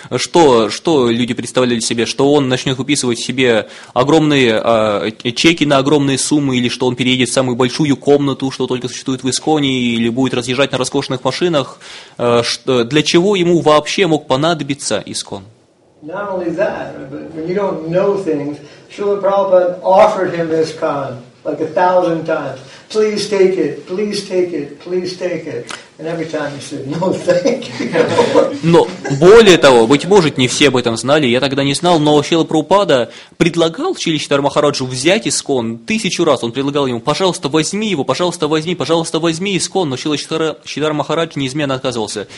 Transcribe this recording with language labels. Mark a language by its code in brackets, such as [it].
[ru] Что люди представляли себе, что он начнет выписывать себе огромные чеки на огромные суммы, или что он переедет в самую большую комнату, что только существует в ИСКОНе, или будет разъезжать на роскошных машинах? Для чего ему вообще мог понадобиться ИСКОН? [en] Not only that, but when you don't know things, Srila Prabhupada offered him this ISKCON like 1,000 times. Please take it, please take it, please take it. [ru] Но более того, быть может, не все об этом знали, я тогда не знал, но Шрила Прабхупада предлагал Шрила Чайтанья Махараджу взять ИСККОН 1000 раз, он предлагал ему, пожалуйста, возьми его, пожалуйста, возьми ИСККОН, но Шрила Чайтанья Махарадж неизменно отказывался.